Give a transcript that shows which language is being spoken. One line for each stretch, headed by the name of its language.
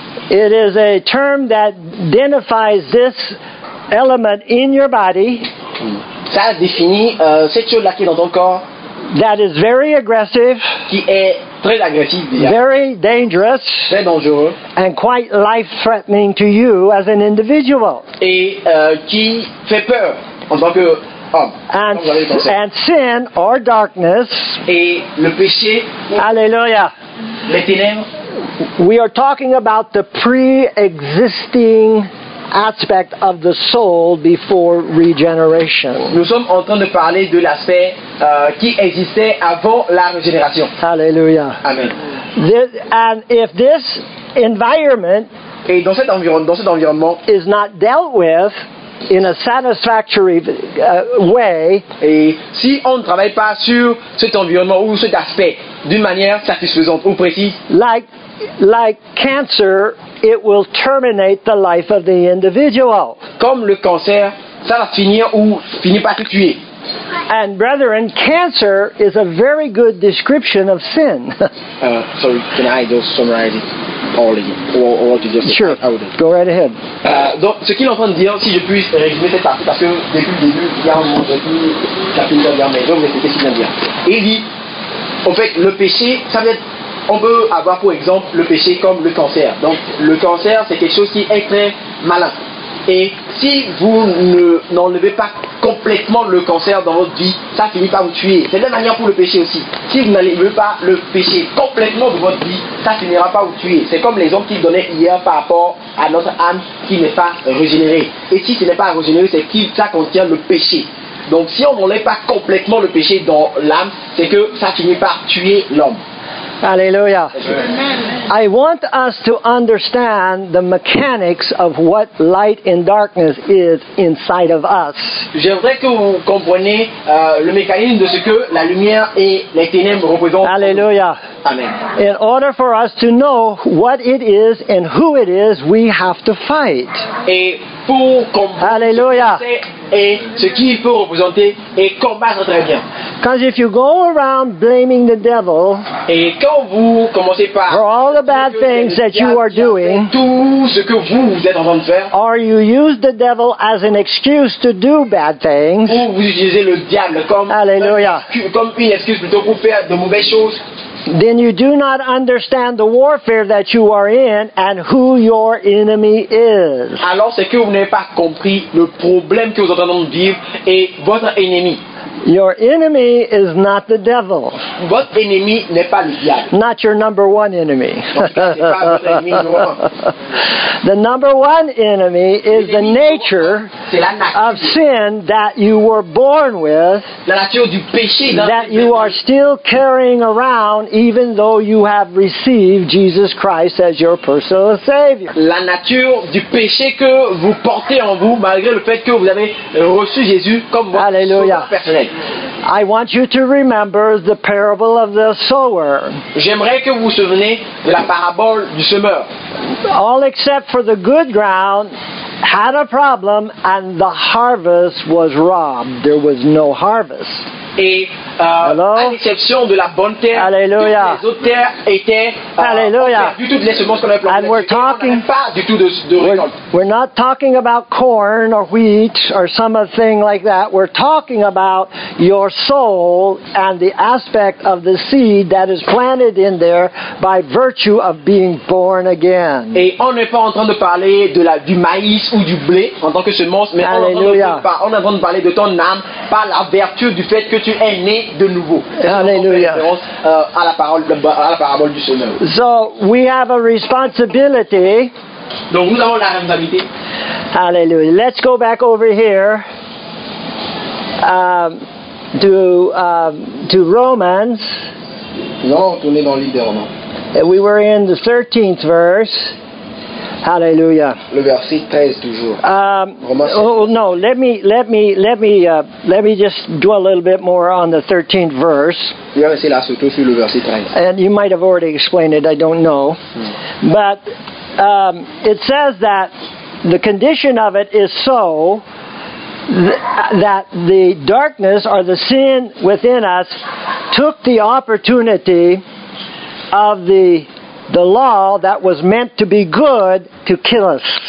English: it is a term that identifies this element in your body.
French: Ça définit cette chose-là qui est dans ton corps.
English: That is very aggressive.
French: Qui est très agressive. Déjà.
English: Very dangerous.
French: Très dangereux.
English: And quite life-threatening to you as an individual.
French: Et qui fait peur en tant que.
English: And sin or darkness.
French: Et le péché. Alléluia. Les ténèbres.
English: We are talking about the pre-existing aspect of the soul before regeneration.
French: Nous sommes en train de parler de l'aspect qui existait avant la régénération. Alléluia. Amen.
English: And if this environment.
French: Et dans cet environnement.
English: Is not dealt with. In a satisfactory way.
French: Et si on ne travaille pas sur cet environnement ou cet aspect d'une manière satisfaisante ou précise,
English: like cancer, it will terminate the life of the individual.
French: Comme le cancer, ça va finir ou finit par te tuer.
English: And brethren, cancer is a very good description of sin. Sorry, can I just summarize it? Sure. Go right ahead.
French: Donc, ce qu'il est en train de dire, si je puis résumer cette partie, parce que depuis le début, il y a un moment, il dit, en fait, le péché, ça veut dire, on peut avoir pour exemple le péché comme le cancer. Donc, le cancer, c'est quelque chose qui est très malin. Et si vous n'enlevez pas complètement le cancer dans votre vie, ça finit par vous tuer. C'est la manière pour le péché aussi. Si vous n'enlevez pas le péché complètement de votre vie, ça finira par vous tuer. C'est comme l'exemple qu'il donnait hier par rapport à notre âme qui n'est pas régénérée. Et si ce n'est pas régénéré, c'est que ça contient le péché. Donc si on n'enlève pas complètement le péché dans l'âme, c'est que ça finit par tuer l'homme. Alléluia.
English: I want us to understand the mechanics of what light and darkness is inside of us.
French: J'aimerais que vous compreniez le mécanisme de ce que la lumière et les ténèbres représentent. Alléluia. Amen.
English: In order for us to know what it is and who it is, we have to fight.
French: Et pour Alléluia. Et ce qu'il peut représenter et combattre très bien.
English: Because if you go around blaming the devil
French: et quand vous commencez par
English: for all the bad things that you are doing,
French: tout ce que vous êtes en train de faire,
English: or you use the devil as an excuse to do bad things,
French: ou vous utilisez le diable comme, Alléluia. Comme une excuse plutôt pour faire de mauvaises choses,
English: then you do not understand the warfare that you are in and who your enemy is.
French: Alors c'est que vous n'avez pas compris le problème que vous êtes en train de vivre et votre ennemi.
English: Your enemy is not the devil.
French: Votre ennemi n'est pas le diable.
English: Not your number one enemy. The number one enemy is the nature of sin that you were born with,
French: la nature du péché
English: that you are still carrying around even though you have received Jesus Christ as your personal Savior.
French: La nature du péché que vous portez en vous malgré le fait que vous avez reçu Jésus comme votre sauveur personnel.
English: I want you to remember the parable of the sower.
French: J'aimerais que vous souveniez de la parabole du semeur.
English: All except for the good ground had a problem and the harvest was robbed. There was no harvest.
French: Et à l'exception de la bonne terre, Alléluia. Toutes les autres terres étaient perdues, toutes les semences qu'on avait plantées.
English: We're talking,
French: on n'avait pas du tout de récolte.
English: We're not talking about corn or wheat or some other thing like that. We're talking about your soul and the aspect of the seed that is planted in there by virtue of being born again.
French: Et on n'est pas en train de parler de la, du maïs ou du blé en tant que semence, mais on est en train de parler de ton âme par la vertu du fait que tu es né de nouveau. Alléluia. À la parabole du semeur.
English: So we have a responsibility.
French: Donc nous avons la responsabilité.
English: Alléluia. Let's go back over here to Romans.
French: Non, on tourne dans le livre des Romains.
English: And we were in the 13th verse. Hallelujah.
French: Le verset 13 toujours.
English: Let me just dwell a little bit more on the 13th verse.
French: Oui, mais c'est là, surtout sur le verset 13.
English: And you might have already explained it, I don't know. But it says that the condition of it is so that the darkness or the sin within us took the opportunity of the law that was meant to be good to kill us.